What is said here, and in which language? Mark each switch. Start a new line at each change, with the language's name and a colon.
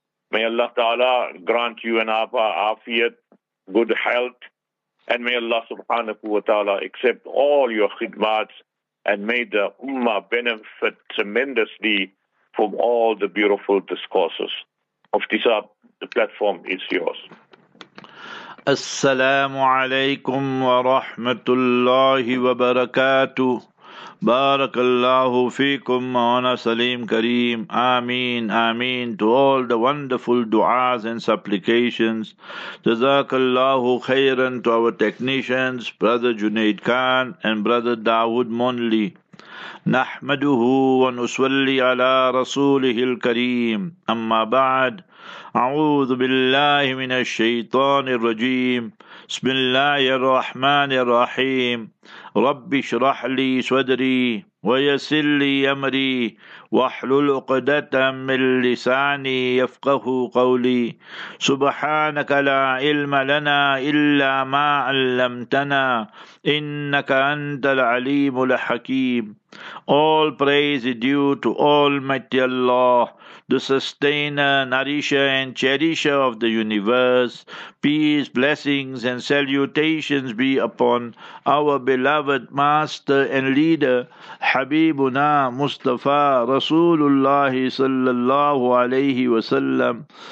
English: May Allah Ta'ala grant you and Apa afiyat, good health. And may Allah Subhanahu wa Ta'ala accept all your khidmats and may the Ummah benefit tremendously from all the beautiful discourses. Mufti Saab, the platform is yours.
Arabic: السلام عليكم ورحمة الله وبركاته. بارك الله فيكم مولانا سليم كريم. آمين آمين
English: to all the wonderful du'as and supplications.
Arabic: جزاك الله خيرا
English: to our technicians, brother Junaid Khan and brother Dawood Monley.
Arabic: نحمده ونصلي على رسوله الكريم. أما بعد, أعوذ بالله من الشيطان الرجيم. بسم الله الرحمن الرحيم. رب اشرح لي صدري ويسر لي أمري واحلل عقدة من لساني يفقه قولي. سبحانك لا علم لنا إلا ما علمتنا إنك أنت العليم الحكيم.
English: All praise is due to Almighty Allah, the sustainer, nourisher and cherisher of the universe. Peace, blessings and salutations be upon our beloved master and leader, Habibuna Mustafa Rasulullah sallallahu alayhi wa sallam.